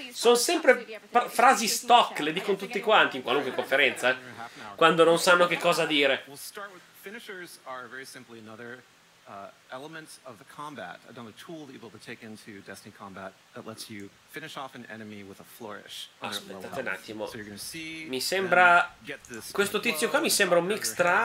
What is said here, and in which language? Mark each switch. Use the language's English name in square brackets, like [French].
[Italian] Sono sempre frasi stock, le dico tutti quanti in qualunque conferenza, quando non sanno che cosa dire. [English] Finishers are very simply another element of the combat, another tool that you'll be able to take into Destiny combat that lets you finish off an enemy with a flourish. [Italian] Aspettate un attimo. Mi sembra questo tizio qua mi sembra un mix tra.